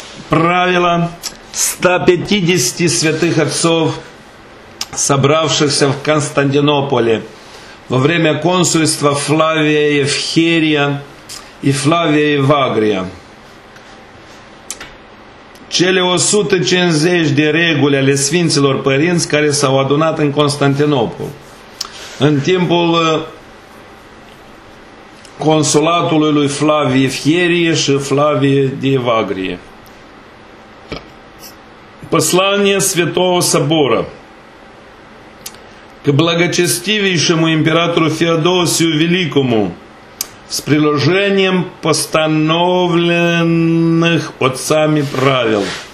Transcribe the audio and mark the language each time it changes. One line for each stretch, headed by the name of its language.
Russian: Правила 150 святых отцов, собравшихся в Константинополе во время консульства Флавия Евхерия и Флавия Евагрия.
Romanian: Cele 150 de reguli ale Sfinților Părinți care s-au adunat în Constantinopol. În timpul consulatului lui Flavie Fierie și Flavie de Evagrie.
Russian: Послание Святого Собора. К благочестивейшему императору Феодосию Великому с приложением постановленных отцами правил.